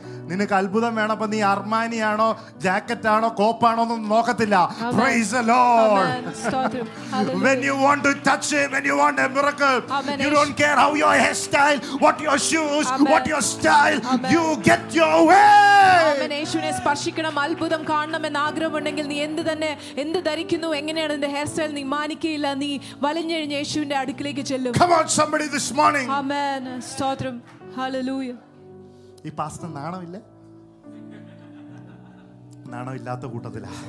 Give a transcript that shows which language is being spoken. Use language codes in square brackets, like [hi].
[ml] നിനക്ക് അത്ഭുതം വേണപ്പോ നീ അർമാനിയാണോ ജാക്കറ്റ് ആണോ കോപ്പാണോ ഒന്നും നോക്കത്തില്ല. [en] Praise the Lord. When you want to touch him, when you want a miracle, amen. You don't care how your hairstyle, what your shoes, amen. What your style, amen. You get your way. [ml] അമ്മേ യേശുവിനെ സ്പർശിക്കണം, അത്ഭുതം കാണണം എന്ന് ആഗ്രഹമുണ്ടെങ്കിൽ നീ എന്ത് തന്നെ എന്ത് ധരിക്കുന്നു എങ്ങനെയാണ് നിന്റെ ഹെയർ സ്റ്റൈൽ നീ മാനിക്കയില്ല, നീ വലിഞ്ഞഴിഞ്ഞ് യേശുവിന്റെ അടുക്കിലേക്ക് ചെല്ലും. [en] Come on somebody this morning. [ml] Amen. സ്തോത്രം. Hallelujah. ഈ പാസ്റ്റർ നാണമില്ല, നാണമില്ലാത്ത കൂട്ടത്തില.